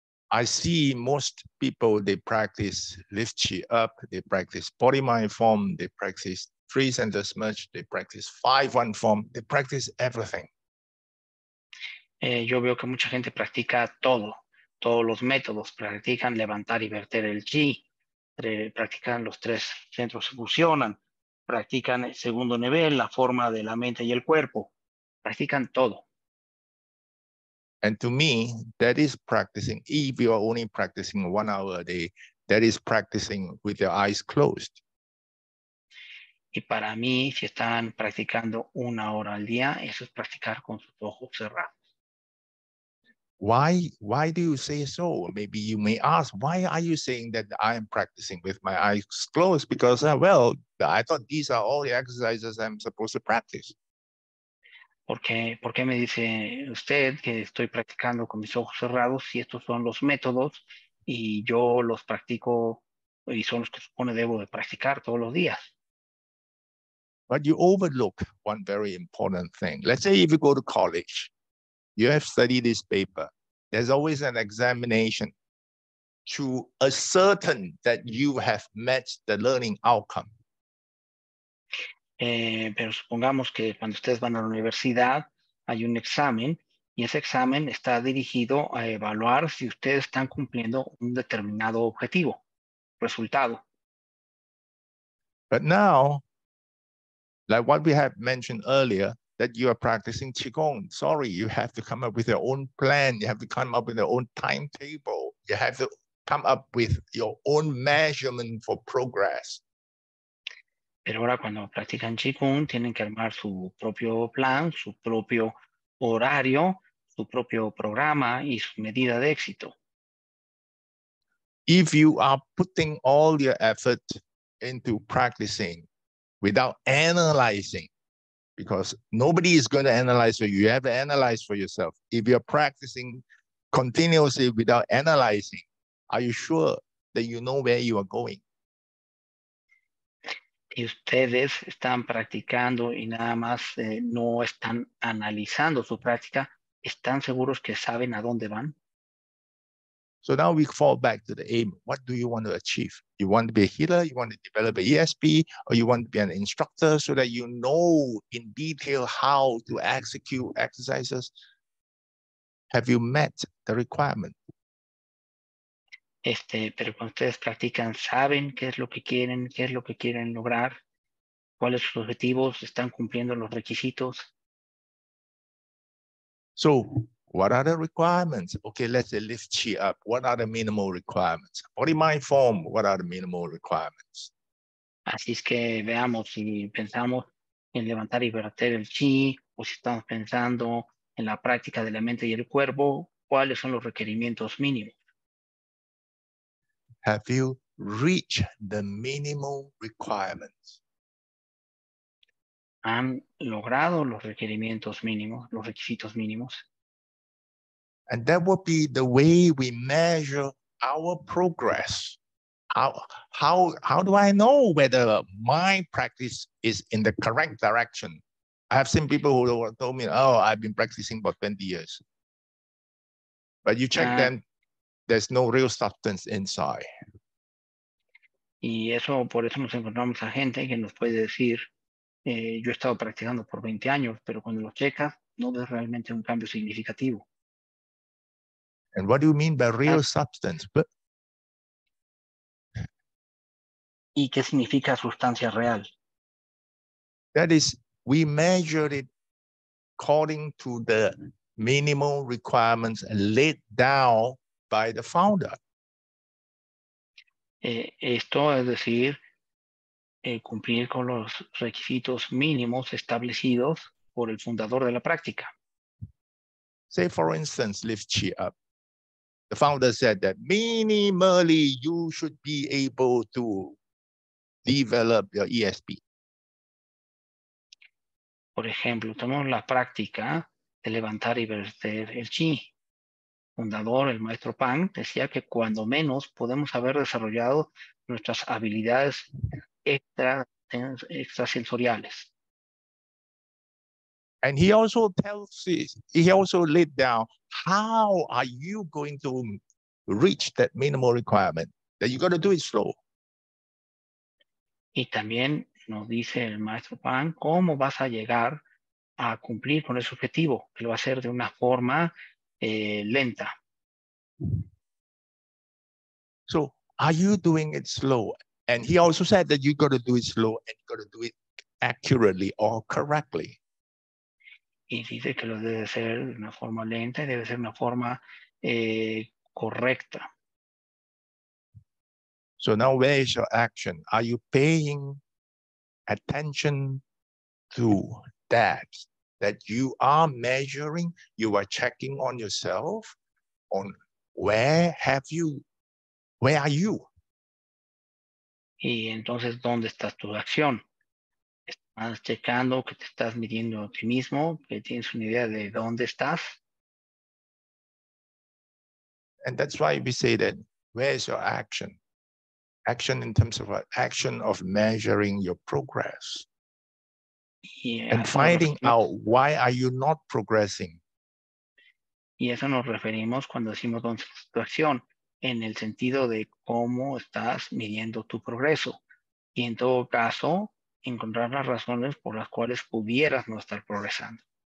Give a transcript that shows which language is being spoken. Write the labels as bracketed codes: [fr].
[en] I see most people, they practice lift chi up, they practice body mind form, they practice three center smudge, they practice 5-1 form, they practice everything. [es] Yo veo que mucha gente practica todo, todos los métodos, practican levantar y verter el chi, practican los tres centros que fusionan, practican el segundo nivel, la forma de la mente y el cuerpo, practican todo. [en] And to me, that is practicing. If you are only practicing 1 hour a day, that is practicing with your eyes closed. [es] Y para mí, si están practicando 1 hora al día, eso es practicar con sus ojos cerrados. [en] Why do you say so? Maybe you may ask, why are you saying that I am practicing with my eyes closed? Because, well, I thought these are all the exercises I'm supposed to practice. [es] ¿Por qué me dice usted que estoy practicando con mis ojos cerrados si estos son los métodos y yo los practico y son los que supone debo de practicar todos los días? [en] But you overlook one very important thing. Let's say if you go to college, you have studied this paper. There's always an examination to ascertain that you have met the learning outcome. [es] Pero supongamos que cuando ustedes van a la universidad hay un examen y ese examen está dirigido a evaluar si ustedes están cumpliendo un determinado objetivo, resultado. [en] But now, like what we have mentioned earlier, that you are practicing Qigong. Sorry, you have to come up with your own plan. You have to come up with your own timetable. You have to come up with your own measurement for progress. [es] Pero ahora cuando practican Qigong, tienen que armar su propio plan, su propio horario, su propio programa y su medida de éxito. [en] If you are putting all your effort into practicing without analyzing, because nobody is going to analyze you, you have to analyze for yourself. If you're practicing continuously without analyzing, are you sure that you know where you are going? [es] Y ustedes están practicando y nada más no están analizando su práctica, ¿están seguros que saben a dónde van? [en] So now we fall back to the aim. What do you want to achieve? You want to be a healer, you want to develop an ESP, or you want to be an instructor so that you know in detail how to execute exercises. Have you met the requirement? [es] Pero cuando ustedes practican, ¿saben qué es lo que quieren? ¿Qué es lo que quieren lograr? ¿Cuáles son sus objetivos? ¿Están cumpliendo los requisitos? [en] So, what are the requirements? Okay, let's lift chi up. What are the minimal requirements? Body mind form, what are the minimal requirements? [es] Así es que veamos si pensamos en levantar y verter el chi, o si estamos pensando en la práctica de la mente y el cuerpo, ¿cuáles son los requerimientos mínimos? [en] Have you reached the minimal requirements? [es] ¿Han logrado los requerimientos mínimos, los requisitos mínimos? [en] And that would be the way we measure our progress. How do I know whether my practice is in the correct direction? I have seen people who told me, oh, I've been practicing for 20 years. But you check them, there's no real substance inside. [es] Y eso, por eso nos encontramos a gente que nos puede decir, yo he estado practicando por 20 años, pero cuando lo checas, no ves realmente un cambio significativo. [en] And what do you mean by real substance? [es] ¿Y qué significa sustancia real? [en] That is We measure it according to the minimum requirements laid down by the founder. [es] Esto es decir, cumplir con los requisitos mínimos establecidos por el fundador de la práctica. [en] Say, for instance, lift chair up. The founder said that minimally you should be able to develop your ESP. [es] Por ejemplo, tomemos la práctica de levantar y verter el chi. Fundador, el maestro Pang, decía que cuando menos podemos haber desarrollado nuestras habilidades extrasensoriales. [en] And he also tells this, he also laid down, how are you going to reach that minimal requirement? That you got to do it slow. [es] Y también nos dice el maestro Pang, ¿cómo vas a llegar a cumplir con ese objetivo? Que lo va a hacer de una forma lenta. [en] So, are you doing it slow? And he also said that you got to do it slow and you got to do it accurately or correctly. [es] Y dice que lo debe ser de una forma lenta y debe ser una forma correcta. [en] So now, where is your action? Are you paying attention to that? That you are measuring, you are checking on yourself, on where are you? [es] Y entonces, ¿dónde está tu acción? ¿Estás checando que te estás midiendo a ti mismo? ¿Que tienes una idea de dónde estás? [en] And that's why we say that, where is your action? Action in terms of what? Action of measuring your progress. Yeah, and finding out why are you not progressing. [es] Y eso nos referimos cuando decimos dónde está tu acción, en el sentido de cómo estás midiendo tu progreso. Y en todo caso, encontrar las razones por las cuales pudieras no estar progresando.